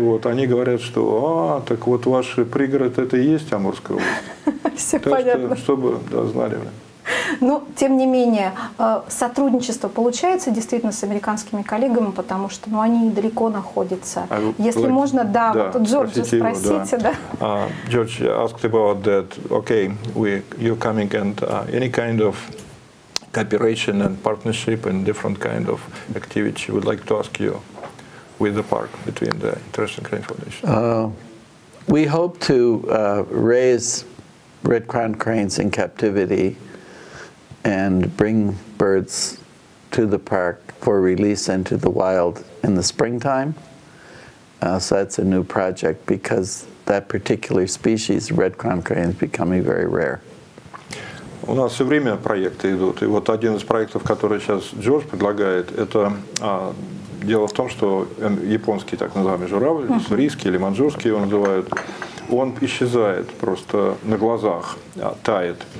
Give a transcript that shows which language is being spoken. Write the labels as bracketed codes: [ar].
[ru] Вот, они говорят, что, а, так вот ваш пригород, это и есть Амурская область. Все понятно. Чтобы, да, знали. Ну, тем не менее, сотрудничество получается действительно с американскими коллегами, потому что ну, они далеко находятся. Если можно, да, да, вот Джорджа спросите. Джордж, да. [en] Asked about that. Okay, you're coming and any kind of cooperation and partnership and different kind of activity would like to ask you with the park between the International Crane Foundation. We hope to raise red-crowned cranes in captivity and bring birds to the park for release into the wild in the springtime. So that's a new project because that particular species, red-crowned crane, is becoming very rare. [ru] У нас все время проекты идут. И вот один из проектов, который сейчас Джордж предлагает, это дело в том, что японский так называемый журавль, сурийский или манчжурский его называют, он исчезает просто на глазах, тает.